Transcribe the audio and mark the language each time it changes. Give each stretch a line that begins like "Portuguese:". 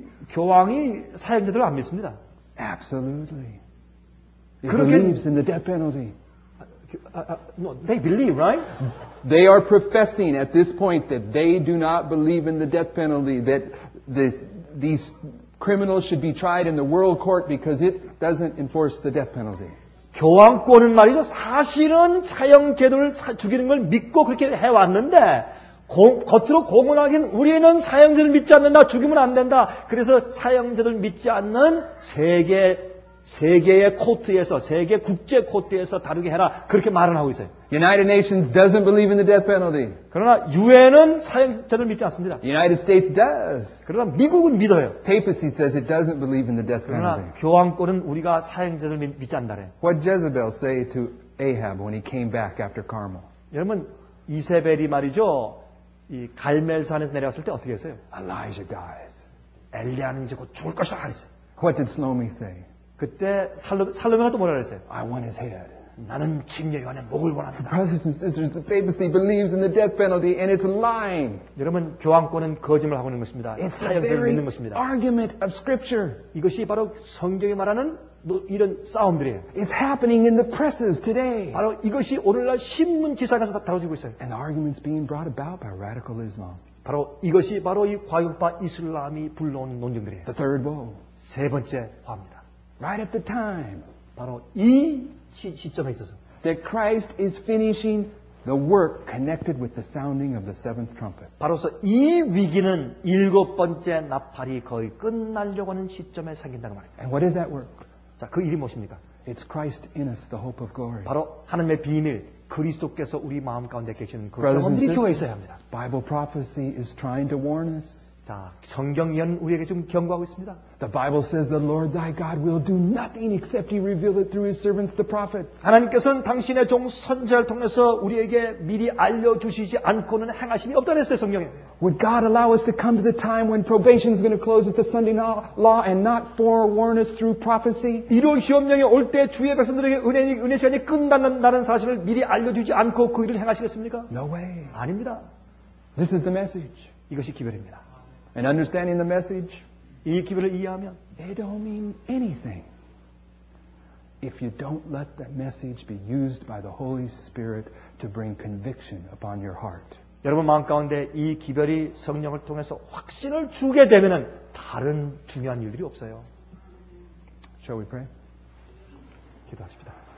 Korean: 교황이 사형제들을 안 믿습니다.
English: Absolutely. Believes in the death penalty. No, they believe, right? They are professing at this point that they do not believe in the death penalty. That these criminals should be tried in the world court because it doesn't enforce the death penalty.
Korean: 교황권은 말이죠. 사실은 사형제도를 죽이는 걸 믿고 그렇게 해왔는데 겉으로 공언하긴 우리는 사형제를 믿지 않는다. 죽이면 안 된다. 그래서 사형제를 믿지 않는 세계의 코트에서 세계 국제 코트에서 다루게 해라 그렇게 말을 하고 있어요.
English: United Nations doesn't believe in the death penalty.
Korean: 그러나 유엔은 사형제를 믿지 않습니다.
English: United States does.
Korean: 그러나 미국은 믿어요.
English: Papacy says it doesn't believe in the death penalty.
Korean: 그러나 교황권은 우리가 사형제를 믿지 않다래.
English: What Jezebel say to Ahab when he came back after Carmel?
Korean: 여러분 이세벨이 말이죠 이 갈멜산에서 내려왔을 때 어떻게 했어요?
English: Elijah dies.
Korean: 엘리야는 이제 곧 죽을 것이라 했어요.
English: What did Salome say?
Korean: 그때 살로메가 또 뭐라 그랬어요?
English: I want his head.
Korean: 나는 침례 요한의 목을 원한다.
English: Brothers and sisters, the papacy believes in the death penalty and it's lying.
Korean: 여러분, 교황권은 거짓말을 하고 있는 것입니다.
English: It's a very mean
Korean: 것입니다.
English: Argument of scripture.
Korean: 이것이 바로 성경이 말하는 이런 싸움들이에요.
English: It's happening in the presses today.
Korean: 바로 이것이 오늘날 신문지상에서 다뤄지고 있어요.
English: And the argument's being brought about by radical Islam.
Korean: 바로 이것이 바로 이 과격파 이슬람이 불러온 논쟁들이에요.
English: The third woe.
Korean: 세 번째 화입니다.
English: Right at the time,
Korean: 바로 이 시점에 있어서,
English: that Christ is finishing the work connected with the sounding of the seventh trumpet.
Korean: 바로서 이 위기는 일곱 번째 나팔이 거의 끝나려고 하는 시점에 생긴다고 말해요.
English: And what is that work?
Korean: 자, 그 일이 무엇입니까?
English: It's Christ in us, the hope of glory.
Korean: 바로 하나님의 비밀, 그리스도께서 우리 마음 가운데 계시는 그 영혼들이 교회에 있어야 합니다.
English: Bible prophecy is trying to warn us.
Korean: 자, 성경이 우리에게 지금 경고하고 있습니다.
English: The Bible says the Lord thy God will do nothing except he reveal it through his servants the prophets.
Korean: 하나님께서는 당신의 종 선지자를 통해서 우리에게 미리 알려주시지 않고는 행하심이 없다 그랬어요, 성경에.
English: Would God allow us to come to the time when probation is going to close at the Sunday law and not forewarn us through prophecy?
Korean: 이룰 시험령이 올 때 주의 백성들에게 은혜 시간이 끝난다는 사실을 미리 알려주지 않고 그 일을 행하시겠습니까?
English: No way.
Korean: 아닙니다.
English: This is the message.
Korean: 이것이 기별입니다.
English: And understanding the message,
Korean: 이 기별을 이해하면,
English: it don't mean anything if you don't let that message be used by the Holy Spirit to bring conviction upon your heart.
Korean: 여러분 마음 가운데 이 기별이 성령을 통해서 확신을 주게 되면은 다른 중요한 일들이 없어요.
English: Shall we pray?
Korean: 기도하십시다.